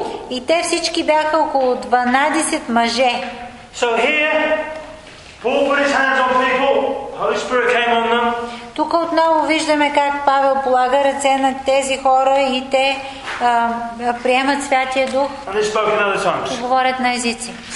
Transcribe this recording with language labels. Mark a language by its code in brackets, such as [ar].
[bg] И те всички бяха около 12 мъже. [en] So here, Paul put his hands on people. Holy Spirit came on them. [bg] Тук отново виждаме как Павел полага ръце на тези хора и те приемат Святия Дух и говорят на езици.